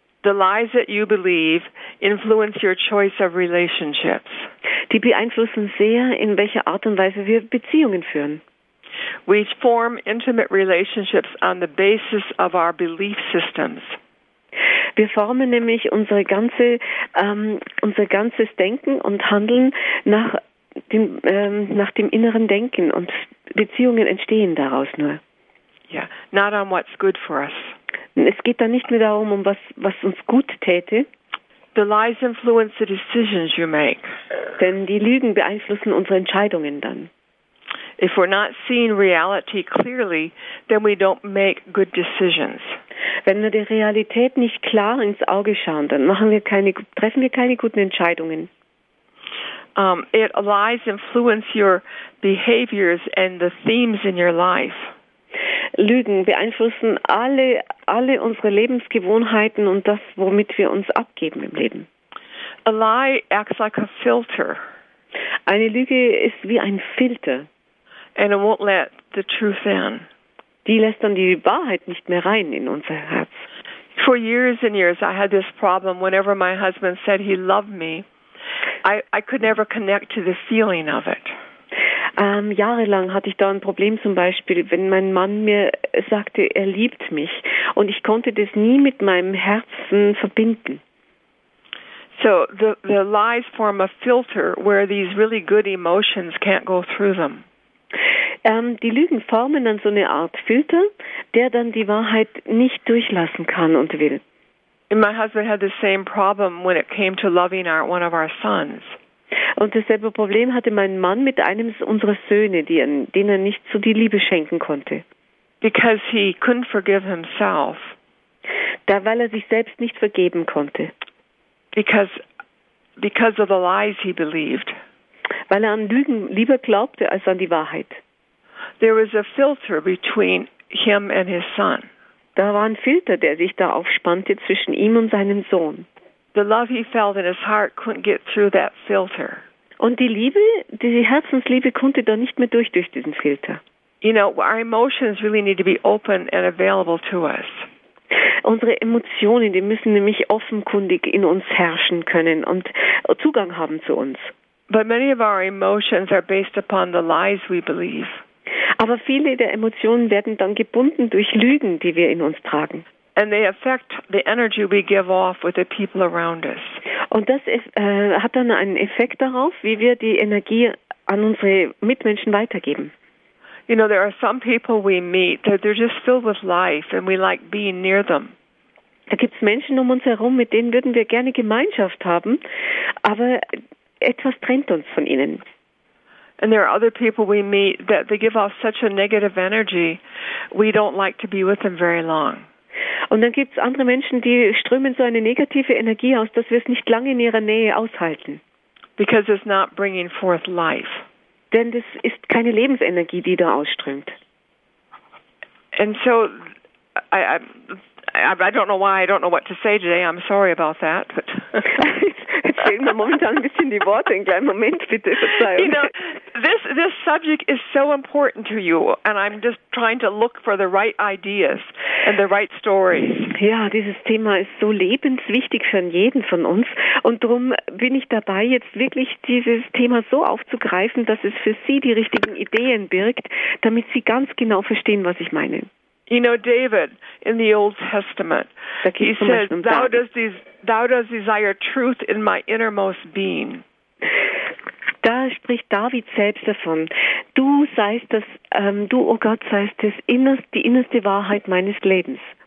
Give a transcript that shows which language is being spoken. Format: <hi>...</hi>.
<en>The lies that you believe influence your choice of relationships.</en> <de>Die beeinflussen sehr, in welcher Art und Weise wir Beziehungen führen.</de> <en>We form intimate relationships on the basis of our belief systems.</en> <de>Wir formen nämlich unsere ganze unser ganzes Denken und Handeln nach dem inneren Denken, und Beziehungen entstehen daraus nur.</de> <en>Yeah, not on what's good for us.</en> <de>Es geht da nicht mehr darum, um was uns gut täte.</de> <en>The lies influence the decisions you make.</en> <de>Denn die Lügen beeinflussen unsere Entscheidungen dann.</de> <en>If we're not seeing reality clearly, then we don't make good decisions.</en> <de>Wenn wir der Realität nicht klar ins Auge schauen, dann treffen wir keine guten Entscheidungen.</de> <en>It lies influence your behaviors and the themes in your life.</en> <de>Lügen beeinflussen alle unsere Lebensgewohnheiten und das, womit wir uns abgeben im Leben.</de> <en>A lie acts like a filter.</en> <de>Eine Lüge ist wie ein Filter.</de> <en>And it won't let the truth in.</en> <de>Die lässt dann die Wahrheit nicht mehr rein in unser Herz.</de> <en>For years and years I had this problem. Whenever my husband said he loved me, I could never connect to the feeling of it.</en> <de>Jahrelang hatte ich da ein Problem, zum Beispiel, wenn mein Mann mir sagte, er liebt mich, und ich konnte das nie mit meinem Herzen verbinden.</de> <en>So the lies form a filter where these really good emotions can't go through them.</en> <de>Die Lügen formen dann so eine Art Filter, der dann die Wahrheit nicht durchlassen kann und will.</de> <en>My husband had the same problem when it came to loving one of our sons.</en> <de>Und dasselbe Problem hatte mein Mann mit einem unserer Söhne, den er nicht so die Liebe schenken konnte.</de> <en>Because he couldn't forgive himself.</en> <de>Da, weil er sich selbst nicht vergeben konnte.</de> <en>Because of the lies he believed.</en> <de>Weil er an Lügen lieber glaubte als an die Wahrheit.</de> <en>There was a filter between him and his son.</en> <de>Da war ein Filter, der sich da aufspannte zwischen ihm und seinem Sohn.</de> <en>The love he felt in his heart couldn't get through that filter.</en> <de>Und die Liebe, diese Herzensliebe, konnte da nicht mehr durch diesen Filter.</de> <en>You know, our emotions really need to be open and available to us.</en> <de>Unsere Emotionen, die müssen nämlich offenkundig in uns herrschen können und Zugang haben zu uns.</de> <en>But many of our emotions are based upon the lies we believe.</en> <de>Aber viele der Emotionen werden dann gebunden durch Lügen, die wir in uns tragen.</de> <en>And they affect the energy we give off with the people around us.</en> <de>Und das hat dann einen Effekt darauf, wie wir die Energie an unsere Mitmenschen weitergeben.</de> <en>You know, there are some people we meet that they're just filled with life and we like being near them.</en> <de>Da gibt's Menschen um uns herum, mit denen würden wir gerne Gemeinschaft haben, aber etwas trennt uns von ihnen.</de> <en>And there are other people we meet that they give off such a negative energy, we don't like to be with them very long.</en> <de>Und dann gibt's andere Menschen, die strömen so eine negative Energie aus, dass wir es nicht lange in ihrer Nähe aushalten.</de> <en>Because it's not bringing forth life.</en> <de>Denn das ist keine Lebensenergie, die da ausströmt.</de> <en>And so I don't know why, I don't know what to say today. I'm sorry about that. But</en> <de>jetzt fehlen mir momentan ein bisschen die Worte. Einen kleinen Moment, bitte. Verzeihung.</de> <en>You know, this subject is so important to you, and I'm just trying to look for the right ideas and the right stories.</en> <de>Ja, dieses Thema ist so lebenswichtig für jeden von uns, und darum bin ich dabei, jetzt wirklich dieses Thema so aufzugreifen, dass es für Sie die richtigen Ideen birgt, damit Sie ganz genau verstehen, was ich meine.</de> <en>You know, David, in the Old Testament, he said, thou dost desire truth in my innermost being.</en> <de>Da spricht David selbst davon. Du seist das, du, oh Gott, seist das die innerste Wahrheit meines Lebens.</de>